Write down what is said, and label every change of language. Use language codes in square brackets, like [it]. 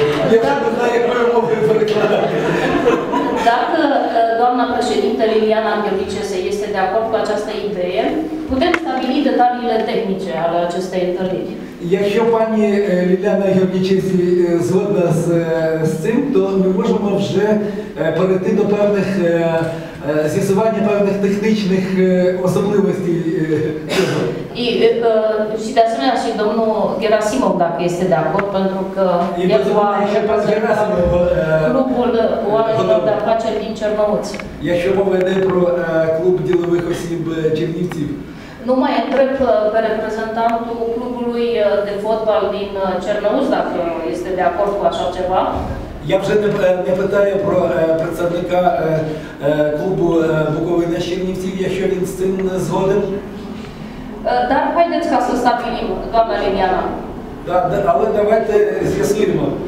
[uk] Я не знаю, якою мовою перекладати. [ro] Dacă doamna președinte Liliana Gheorghiceanu este de acord cu această idee, putem stabili detaliile tehnice ale acestei întâlniri. [uk] Якщо пані Ліліана Гіргічесі згодна з цим, то ми можемо вже перейти до певних з'ясування певних технічних особливостей. [ro] І de asemenea și domnul Gerasimov, dacă este de acord, pentru că el va reprezenta clubul oamenilor de afaceri din Чернівці. [uk] Якщо мова йде про клуб ділових осіб Чернівці. [ro] Nu mai întreb pe reprezentantul clubului de fotbal din Чернівці dacă este de acord cu așa ceva. [uk] Я вже не питаю про представника клубу Буковина Чернівців, якщо він з цим згоден. [ro] Dar haideți ca să stabilim, doamna Liliana. [uk] Da, але давайте з'ясуємо.